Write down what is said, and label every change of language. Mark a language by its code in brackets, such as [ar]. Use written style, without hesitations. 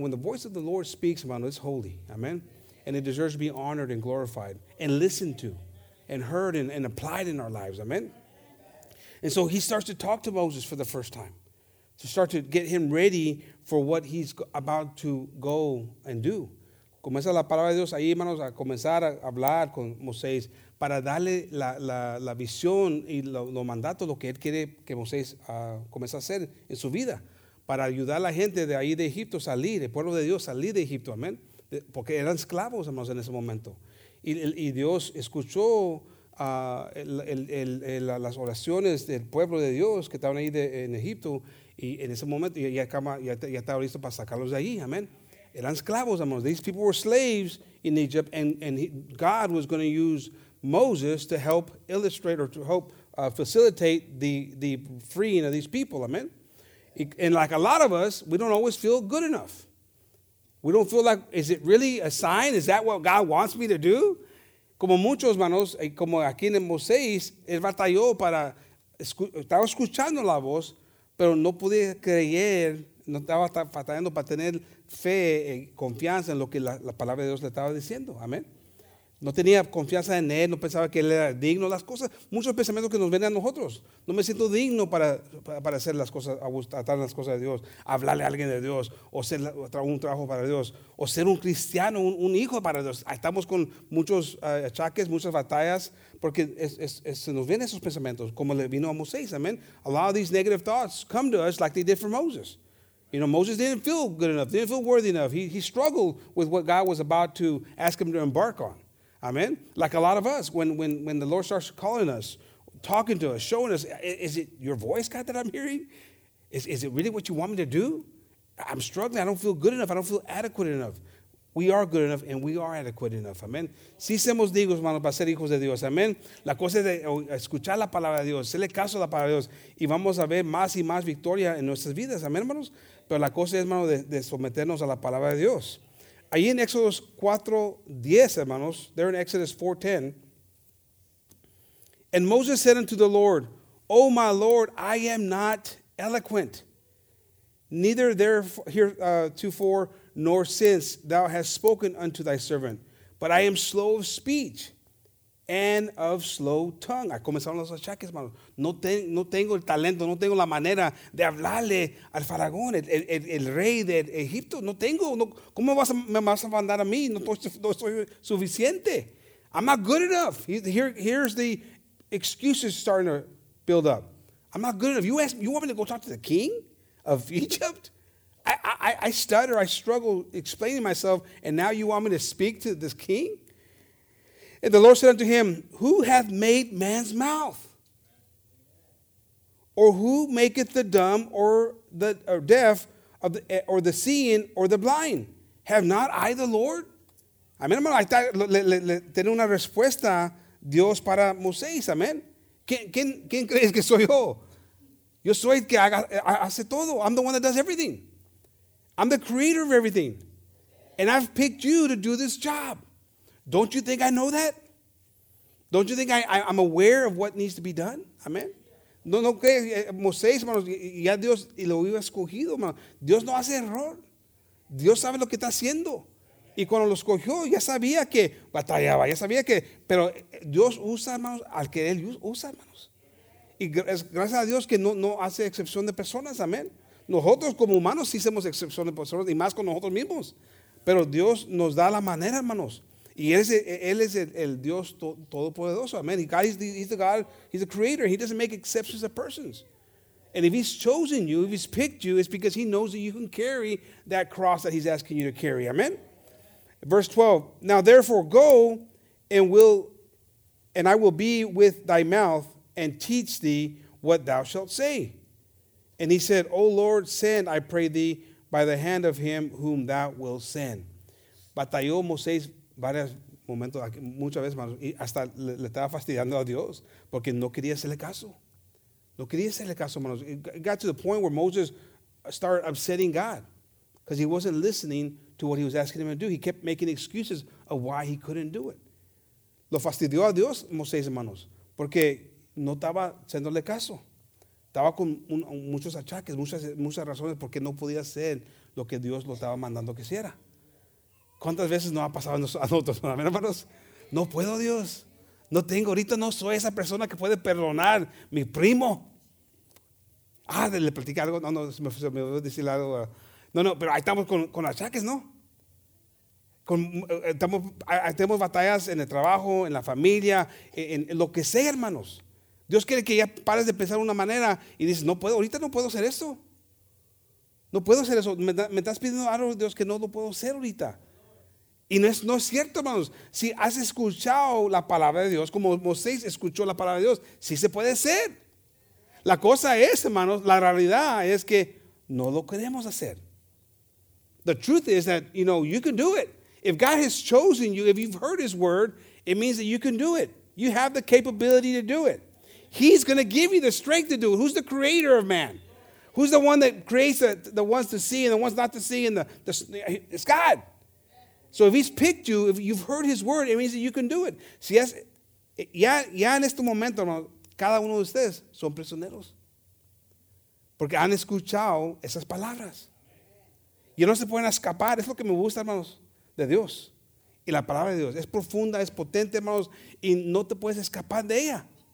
[en] When the voice of the Lord speaks, man, it's holy. Amen. And it deserves to be honored and glorified and listened to and heard and applied in our lives. Amen. And so he starts to talk to Moses for the first time to start to get him ready for what he's about to go and do. [es] Comienza la palabra de Dios ahí, hermanos, a comenzar a hablar con Moisés para darle la visión y lo mandato, lo que él quiere que Moisés comience a hacer en su vida para ayudar a la gente de ahí de Egipto salir, el pueblo de Dios salir de Egipto. Amén. Porque eran esclavos, hermanos, en ese momento. Y Dios escuchó las oraciones del pueblo de Dios que estaban ahí en Egipto. Y en ese momento ya estaba listo para sacarlos de allí. Amén. Eran esclavos, hermanos. [en] These people were slaves in Egypt. And God was going to use Moses to help illustrate or to help facilitate the freeing of these people. Amén. And like a lot of us, we don't always feel good enough. We don't feel like, is it really a sign? Is that what God wants me to do? [es] como muchos hermanos, como aquí en Moisés, él batalló para, estaba escuchando la voz, pero no podía creer, no estaba batallando para tener fe y confianza en lo que la palabra de Dios le estaba diciendo. Amén. No tenía confianza en él, no pensaba que él era digno. Las cosas, muchos pensamientos que nos ven a nosotros. No me siento digno para hacer las cosas, tratar las cosas de Dios, hablarle a alguien de Dios, o hacer un trabajo para Dios, o ser un cristiano, un hijo para Dios. Estamos con muchos achaques, muchas batallas, porque se nos vienen esos pensamientos, como le vino a Moisés, amén. [en] A lot of these negative thoughts come to us like they did for Moses. You know, Moses didn't feel good enough, didn't feel worthy enough. He struggled with what God was about to ask him to embark on. Amen. Like a lot of us, when the Lord starts calling us, talking to us, showing us, is it your voice, God, that I'm hearing? Is it really what you want me to do? I'm struggling. I don't feel good enough. I don't feel adequate enough. We are good enough and we are adequate enough. Amen. [es] Si somos dignos, hermanos, para ser hijos de Dios. Amen. La cosa es de escuchar la palabra de Dios, hacerle caso a la palabra de Dios, y vamos a ver más y más victoria en nuestras vidas. Amen, hermanos. Pero la cosa es, hermanos, de someternos a la palabra de Dios. Ahí en Exodus 4:10, hermanos, [en] there in Exodus 4:10. And Moses said unto the Lord, O my Lord, I am not eloquent, neither there heretofore nor since thou hast spoken unto thy servant, but I am slow of speech and of slow tongue. [es] Ahí comenzaron los achaques, hermanos. No tengo el talento, no tengo la manera de hablarle al faraón, el rey de Egipto. No tengo, no, ¿cómo me vas a mandar a mí? No estoy suficiente. [en] I'm not good enough. Here's the excuses starting to build up. I'm not good enough. You want me to go talk to the king of Egypt? I stutter, I struggle explaining myself, and now you want me to speak to this king? And the Lord said unto him, Who hath made man's mouth? Or who maketh the dumb or the or deaf of the, or the seeing or the blind? Have not I the Lord? [es] Amén, hermano. Ahí está, le tiene una respuesta Dios para Moisés. Amén. ¿Quién crees que soy yo? Yo soy el que hace todo. [en] I'm the one that does everything. I'm the creator of everything. And I've picked you to do this job. Don't you think I know that? Don't you think I'm aware of what needs to be done? [es] Amén. No crees, Moisés, hermanos, ya Dios y lo iba escogido, hermano. Dios no hace error. Dios sabe lo que está haciendo. Y cuando lo escogió, ya sabía que batallaba, ya sabía que. Pero Dios usa, hermanos, al que Él usa, hermanos. Y gracias a Dios que no hace excepción de personas, amén. Nosotros como humanos sí hacemos excepción de personas, y más con nosotros mismos. Pero Dios nos da la manera, hermanos. Y él es el Dios todopoderoso, amen. [en] He's the creator. He doesn't make exceptions of persons. And if he's chosen you, if he's picked you, it's because he knows that you can carry that cross that he's asking you to carry, amen. Verse 12, now therefore go and I will be with thy mouth and teach thee what thou shalt say. And he said, O Lord, send, I pray thee, by the hand of him whom thou wilt send. [es] Batalló Moisés varios momentos, muchas veces, hermanos, y hasta le estaba fastidiando a Dios porque no quería hacerle caso. No quería hacerle caso, hermanos. [en] It got to the point where Moses started upsetting God because he wasn't listening to what he was asking him to do. He kept making excuses of why he couldn't do it. [es] Lo fastidió a Dios, Moisés, hermanos, porque no estaba haciéndole caso. Estaba con muchos achaques, muchas razones porque no podía hacer lo que Dios lo estaba mandando que hiciera. ¿Cuántas veces nos ha pasado a nosotros, hermanos? No puedo, Dios. No tengo. Ahorita no soy esa persona que puede perdonar mi primo. Ah, le platicé algo. No, se me voy a decir algo. No, pero ahí estamos con achaques, ¿no? Tenemos batallas en el trabajo, en la familia, en lo que sea, hermanos. Dios quiere que ya pares de pensar de una manera y dices, no puedo, ahorita no puedo hacer eso. No puedo hacer eso. Me estás pidiendo algo, Dios, que no lo puedo hacer ahorita. Y no es cierto, hermanos. Si has escuchado la palabra de Dios, como Moisés escuchó la palabra de Dios, sí se puede hacer. La cosa es, hermanos, la realidad es que no lo queremos hacer. [en] The truth is that, you know, you can do it. If God has chosen you, if you've heard his word, it means that you can do it. You have the capability to do it. He's going to give you the strength to do it. Who's the creator of man? Who's the one that creates the ones to see and the ones not to see? And it's God. So if he's picked you, if you've heard his word, it means that you can do it. [es] Si es, ya, ya en este momento, ¿no? Cada uno de ustedes son prisioneros. Porque han escuchado esas palabras. Y no se pueden escapar. Es lo que me gusta, hermanos, de Dios. Y la palabra de Dios es profunda, es potente, hermanos, y no te puedes escapar de ella.